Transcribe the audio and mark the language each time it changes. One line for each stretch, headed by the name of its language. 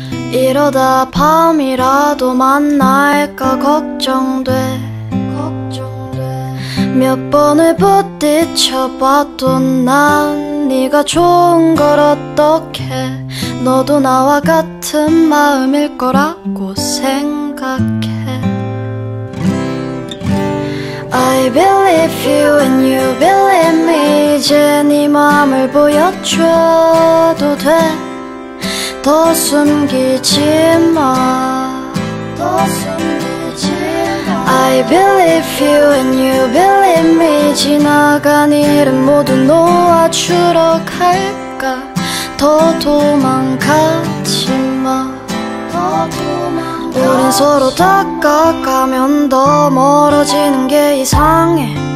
Korean: 이러다 밤이라도 만날까 걱정돼, 걱정돼. 몇 번을 부딪혀봐도 난 네가 좋은 걸 어떡해. 너도 나와 같은 마음일 거라고 생각해.
English: I believe you and you believe me.
Korean: 이제 네 마음을 보여줘도 돼. 더 숨기지 마, 더 숨기지 마.
English: I believe you and you believe me.
Korean: 지나간 일은 모두 놓아주러 갈까. 더 도망가지 마, 더 도망가. 우린 서로 다가가면 더 멀어지는 게 이상해.